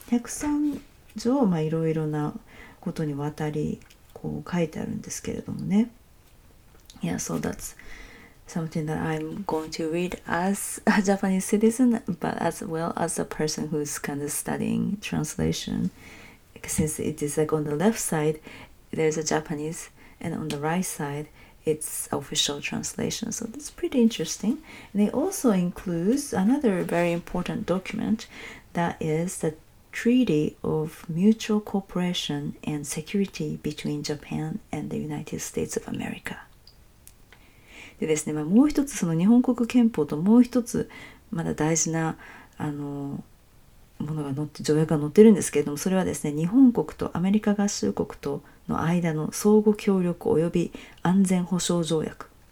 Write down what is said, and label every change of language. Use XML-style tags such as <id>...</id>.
<ja>103条、まあ、いろいろなことにわたりこう書いてあるんですけれどもね。</ja> <en>Yeah, so that's something that I'm going to read as a Japanese citizen, but as well as a person who's kind of studying translation. Since it is like on the left side, there's a Japanese, and on the right side, it's official translation. So that's pretty interesting. And it also includes another very important document. That is the Treaty of Mutual Cooperation and Security between Japan and the United States of America.</en> <ja>でですね、まあ、もう一つその日本国憲法ともう一つまだ大事なものが載って、条約が載ってるんですけれども、それはですね、日本国とアメリカ合衆国との間の相互協力及び安全保障条約。</ja>